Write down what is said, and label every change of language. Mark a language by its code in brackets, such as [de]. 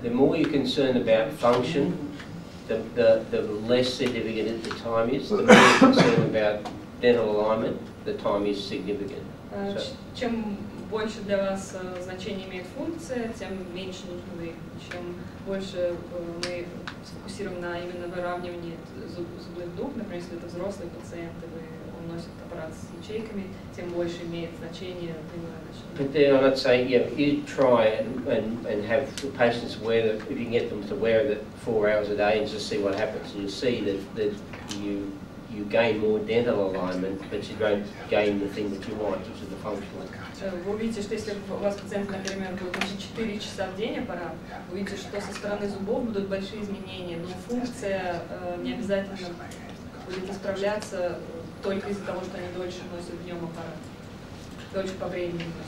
[en] The more you're concerned about function, the less significant the time is. The more you're concerned about dental alignment, the time is significant. [ru] Чем больше для вас значение имеет функция, тем меньше нужно время. Чем больше мы сфокусируем на именно выравнивании зубных дуг, например, если это взрослые пациенты, он носит аппарат с ячейками, тем больше имеет значение длинное значение. [en] But then I'd say, yeah, you try and have the patients wear that, if you can get them to wear that 4 hours a day and just see what happens. And you see that you gain more dental alignment, but you don't gain the thing that you want, which is the functional outcome. [ru] Вы увидите, что если у вас пациент, например, будет 4 часа в день аппарат, вы увидите, что со стороны зубов будут большие изменения, но функция не обязательно будет исправляться только из-за того, что они дольше носят днем аппарат, дольше по времени.